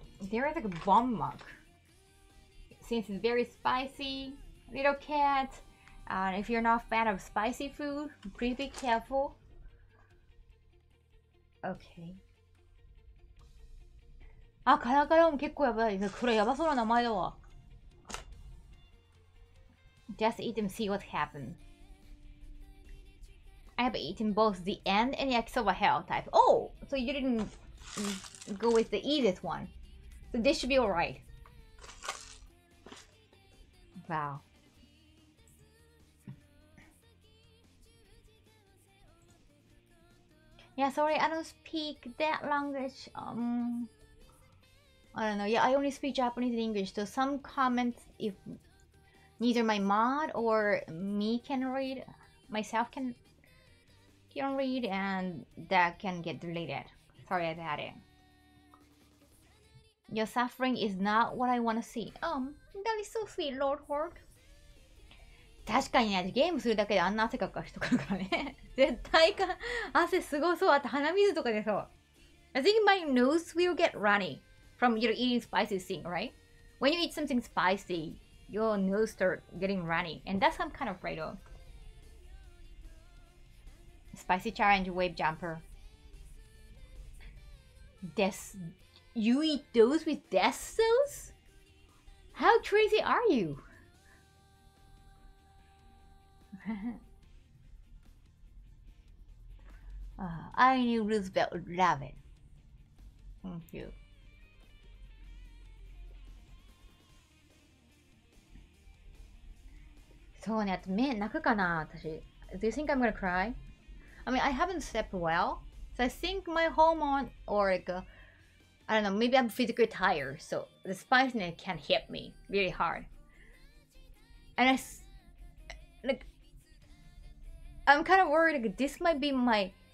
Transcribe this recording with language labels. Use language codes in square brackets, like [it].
[en] There is like a bomb mug. Since it's very spicy, little cat. And if you're not a fan of spicy food, please be careful. Okay. [ja] あ、カラカラも結構やばい。これやばそうな名前だわ。 [en] Just eat them, see what happened. I have eaten both the end and yakisoba hell type. Oh! So you didn't go with the easiest one. So this should be alright. Wow. Yeah, sorry, I don't speak that language. I don't know. Yeah, I only speak Japanese and English. So some comments, if neither my mod or me can read, myself can read, and that can get deleted. Sorry about it. Your suffering is not what I want to see. That is so sweet, Lord Hork. [ja] 確かにね、ゲームするだけであんな汗かく人からね。絶対か、汗すごそう。あと鼻水とかでそう。 [en] I think my nose will get runny. From you know, eating spicy thing, right? When you eat something spicy, your nose start getting runny. And that's what I'm kind of afraid of. Spicy challenge, wave jumper. Death... You eat those with death sauce? How crazy are you? I knew Roosevelt would love it. Thank you. [ja] そうね、あと目泣くかな、私。 [en] Do you think I'm gonna cry? I mean, I haven't slept well. So I think my hormone or like, I don't know, maybe I'm physically tired. So the spiciness can hit me really hard. And I'm kind of worried like, this might be my